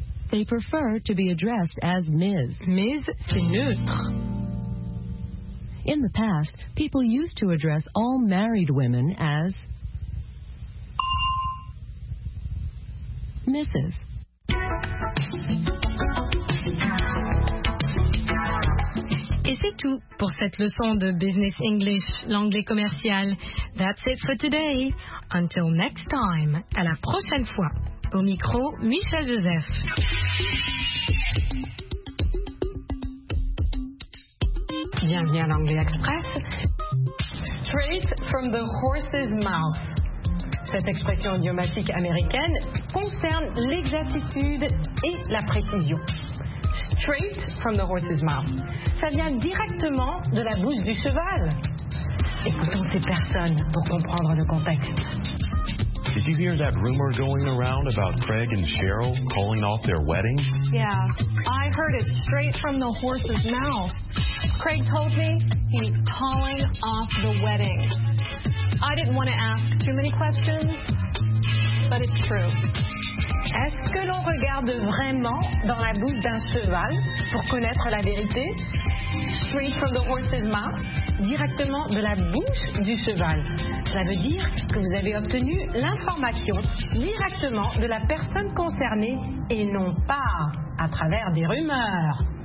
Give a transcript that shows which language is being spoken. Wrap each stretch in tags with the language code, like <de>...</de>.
<en>They prefer to be addressed as Ms.</en> <fr>Ms, c'est neutre.</fr> <en>In the past, people used to address all married women as Mrs.</en> <fr>Et c'est tout pour cette leçon de Business English, l'anglais commercial.</fr> <en>That's it for today. Until next time,</en> <fr>à la prochaine fois. Au micro, Michel Joseph. Bienvenue à l'Anglais Express.</fr> <en>Straight from the horse's mouth.</en> <fr>Cette expression idiomatique américaine concerne l'exactitude et la précision.</fr> <en>Straight from the horse's mouth.</en> <fr>Ça vient directement de la bouche du cheval. Écoutons ces personnes pour comprendre le contexte.</fr> <en>Did you hear that rumor going around about Craig and Cheryl calling off their wedding? Yeah, I heard it straight from the horse's mouth. Craig told me he's calling off the wedding. I didn't want to ask too many questions, but it's true.</en> <fr>Est-ce que l'on regarde vraiment dans la bouche d'un cheval pour connaître la vérité?</fr> <en>Straight from the horse's mouth.</en> <fr>Directement de la bouche du cheval. Cela veut dire que vous avez obtenu l'information directement de la personne concernée et non pas à travers des rumeurs.</fr>